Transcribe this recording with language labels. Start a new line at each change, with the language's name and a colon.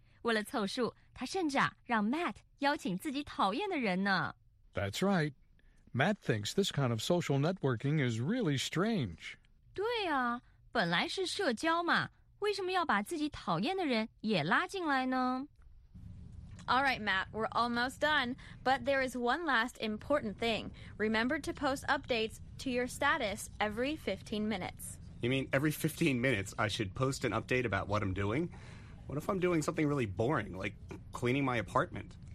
Chinese: 为了凑数，他甚至啊让 Matt 邀请自己讨厌的人呢。
English: That's right. Matt thinks this kind of social networking is really strange.
Chinese: 对啊，本来是社交嘛，为什么要把自己讨厌的人也拉进来呢？
English: All right, Matt, we're almost done, but there is one last important thing. Remember to post updates to your status every 15 minutes. You mean every 15 minutes I should post an update about what I'm doing? What if I'm doing something really boring, like cleaning my apartment?